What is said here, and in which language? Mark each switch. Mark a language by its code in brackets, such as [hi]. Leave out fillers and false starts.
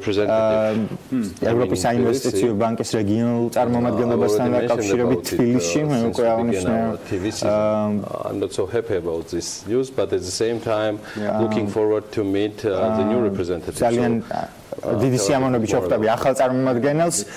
[ka] ევროპის საინვესტიციო ბანკის რეგიონულ წარმომადგენლობასთან დაკავშირებით თბილისში მე უკვე აღნიშნე [en] I'm not so happy about this news but at the same time looking forward to meet the new representative [ka] დიდი სიამოვნებით შევხვდები ახალ წარმომადგენელს.